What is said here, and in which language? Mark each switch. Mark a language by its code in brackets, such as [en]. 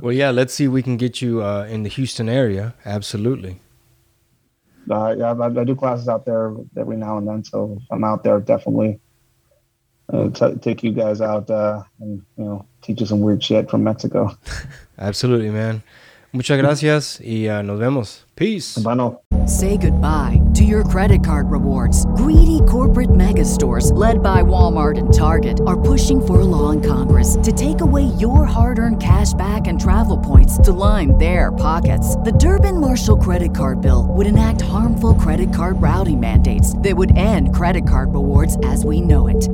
[en] Well, yeah, let's see if we can get you in the Houston area. Absolutely. I do classes out there every now and then. So I'm out there definitely. Take you guys out and teach you some weird shit from Mexico. Absolutely, man. [es] Muchas gracias y nos vemos. [en] Peace. [es] Bueno. [en] Say goodbye to your credit card rewards. Greedy corporate mega stores, led by Walmart and Target, are pushing for a law in Congress to take away your hard-earned cash back and travel points to line their pockets. The Durbin-Marshall credit card bill would enact harmful credit card routing mandates that would end credit card rewards as we know it.